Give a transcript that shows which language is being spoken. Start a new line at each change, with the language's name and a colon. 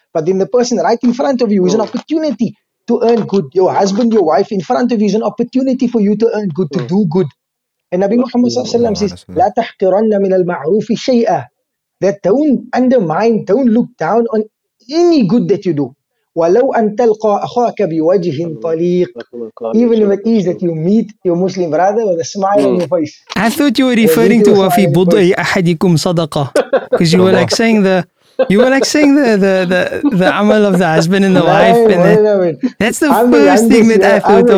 English: But then the person right in front of you is an opportunity to earn good. Your husband, your wife in front of you is an opportunity for you to earn good, to do good. And Nabi Muhammad sallallahu alayhi wa sallam says,
Arabic: لَا تَحْقِرَنَّ مِنَ الْمَعْرُوفِ شَيْئًا.
English: That don't undermine, don't look down on any good that you do.
Arabic: وَلَوْ أَن تَلْقَى أَخَاكَ بِوَجْهٍ طَلِيقٍ.
English: Even if it is that you meet your Muslim brother with a smile on your face. I thought you were referring to
Arabic: وَفِي بُضْءِ أَحَدِكُمْ صَدَقَةً.
English: Because you were like saying the amal of the husband and the wife. And that's the first thing that I thought of.